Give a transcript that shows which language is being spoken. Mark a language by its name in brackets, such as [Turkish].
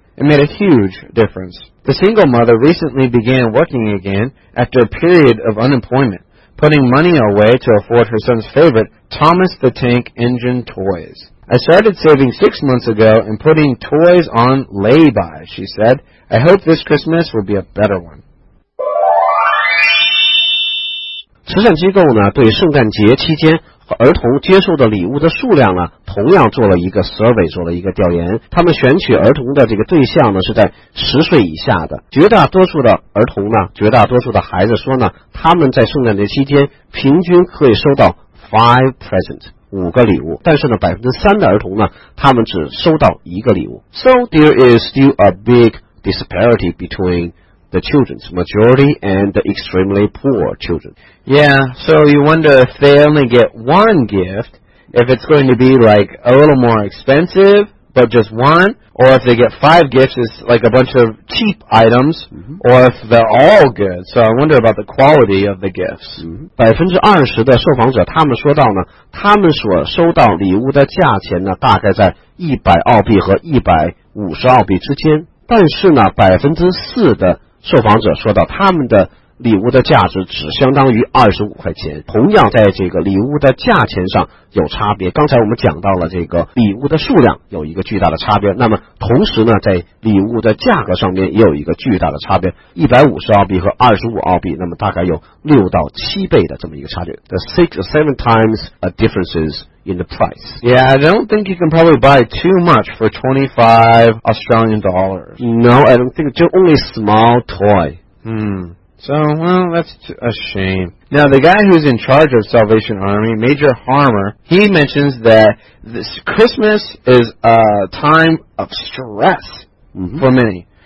[English] It made a huge difference. The single mother recently began working again after a period of unemployment, putting money away to afford her son's favorite, Thomas the Tank Engine toys. I started saving 6 months ago and putting toys on lay-by, she said. I hope this Christmas will be a better one. [Chinese] 慈善机构呢，对圣诞节期间和儿童接受的礼物的数量呢，同样做了一个 survey， 做了一个调研。他们选取儿童的这个对象呢，是在10岁以下的。绝大多数的儿童呢，绝大多数的孩子说呢，他们在圣诞节期间平均可以收到 [English] 5 presents。 [Chinese] 五个礼物，但是呢，3%的儿童呢，他们只收到一个礼物。 [English] So there is still a big disparity between the children's majority and the extremely poor children. Yeah, so you wonder if they only get one gift, if it's going to be like a little more expensive, but just one, or if they get 5 gifts, it's like a bunch of cheap items, or if they're all good. So I wonder about the quality of the gifts. [Chinese] 20%的受访者他们说到呢，他们所收到礼物的价钱呢，大概在100澳币和150澳币之间。但是呢，4%的受访者说到他们的礼物的价值只相当于25块钱，同样在这个礼物的价钱上有差别。刚才我们讲到了这个礼物的数量有一个巨大的差别，那么同时呢，在礼物的价格上面也有一个巨大的差别，150澳币和25澳币，那么大概有6到7倍的这么一个差别。 [English] The 6 or 7 times a differences in the price. Yeah, I don't think you can probably buy too much for $25. No, I don't think. Just only small toy. So, well, that's a shame. Now, the guy who's in charge of Salvation Army, Major Harmer, he mentions that this Christmas is a time of stress for many.